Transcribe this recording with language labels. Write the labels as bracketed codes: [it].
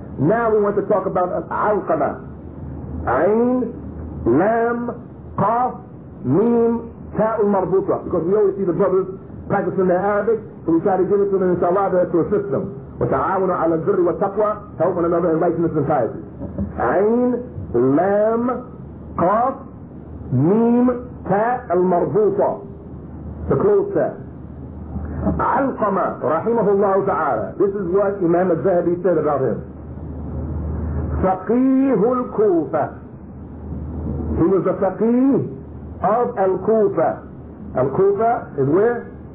[en] Now we want to talk about Alqama. Ayn, Lam, Qaf, Mim, Ta'ul Marbutra. Because we always see the brothers practicing their Arabic, so we try to give it to them, inshallah, to assist them. [ar] وتعاونوا على البر والتقوى [en] help one another in righteousness and piety. [ar] عين لام قاف ميم تاء المربوطة [en] the close tab. [ar] علقمة رحمه الله تعالى, [en] this is what Imam al-Zahabi said about him. [ar] فقيه الكوفة, [en] he was the فقيه of الكوفة. الكوفة is where?